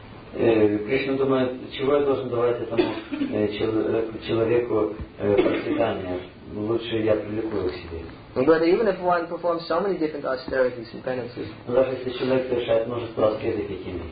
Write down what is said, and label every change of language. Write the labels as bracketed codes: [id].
[ru] Кришна думает, чего я должен давать этому человеку процветание? Лучше я привлеку его к себе. [en] But even if one performs so many different austerities and penances, [ru] даже если человек совершает множество аскезы какими,